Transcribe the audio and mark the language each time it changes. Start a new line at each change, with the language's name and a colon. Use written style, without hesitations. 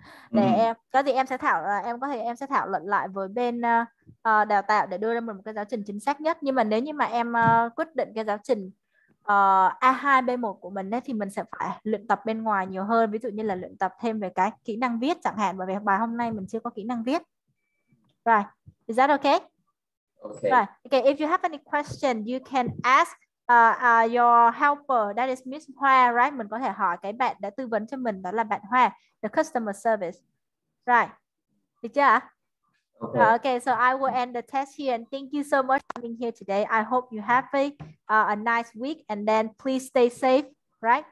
Vietnamese: Để em có gì em sẽ thảo em có thể em sẽ thảo luận lại với bên đào tạo để đưa ra một cái giáo trình chính xác nhất. Nhưng mà nếu như mà em quyết định cái giáo trình A2 B1 của mình ấy, thì mình sẽ phải luyện tập bên ngoài nhiều hơn, ví dụ như là luyện tập thêm về cái kỹ năng viết chẳng hạn, bởi vì bài hôm nay mình chưa có kỹ năng viết.
English: Right, is that okay? Okay. Right. Okay, if you have any question you can ask your helper, that is Miss Hoa, right?
Vietnamese: Mình có thể hỏi cái bạn đã tư vấn cho mình, đó là bạn Hoa,
English: the customer service, right?
Vietnamese: Được chưa?
English: Okay. Okay, so I will end the test here, and thank you so much for being here today. I hope you have a nice week, and then please stay safe, right?